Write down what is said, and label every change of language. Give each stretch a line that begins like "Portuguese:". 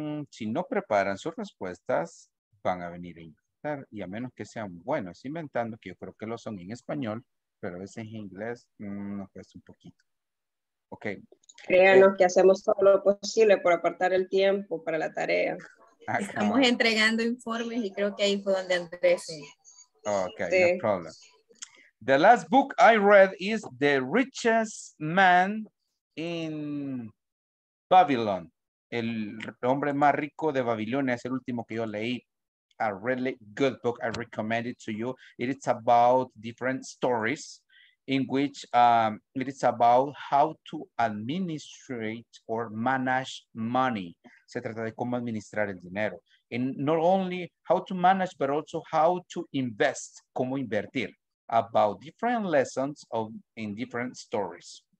Spanish: Si no preparan sus respuestas, van a venir a inventar, y a menos que sean buenos inventando, que yo creo que lo son en español, pero a veces en inglés nos cuesta un poquito.
English: Okay.
Spanish: Créanos que hacemos todo lo posible por apartar el tiempo para la tarea. Estamos entregando informes y creo que ahí fue donde Andrés.
English: Okay, sí. No problem. The last book I read is The Richest Man in Babylon.
Spanish: El hombre más rico de Babilonia es el último que yo leí.
English: A really good book. I recommend it to you. It is about different stories, in which it is about how to administrate or manage money.
Spanish: Se trata de cómo administrar el dinero.
English: And not only how to manage, but also how to invest,
Spanish: cómo invertir,
English: about different lessons of in different stories.